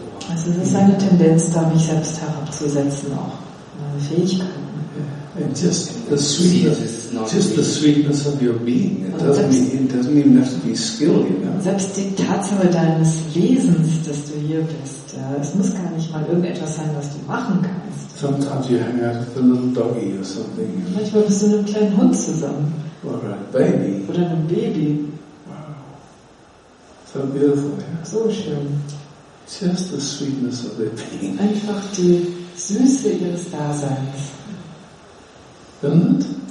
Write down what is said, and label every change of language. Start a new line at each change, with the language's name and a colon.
German: Also es ist eine Tendenz, da mich selbst herabzusetzen, auch meine Fähigkeiten.
English: And just the sweetness of your being. It doesn't even have to be skill, you know.
German: Selbst die Tatsache deines Wesens, dass du hier bist, ja, es muss gar nicht mal irgendetwas sein, was du machen kannst.
English: Sometimes you hang out with a little doggy or something. You know?
German: Manchmal bist du mit einem kleinen Hund zusammen.
English: Or a baby.
German: Oder einem Baby.
English: Wow. So beautiful, yeah.
German: So schön.
English: Just the sweetness of their being.
German: Einfach die Süße ihres Daseins. Und?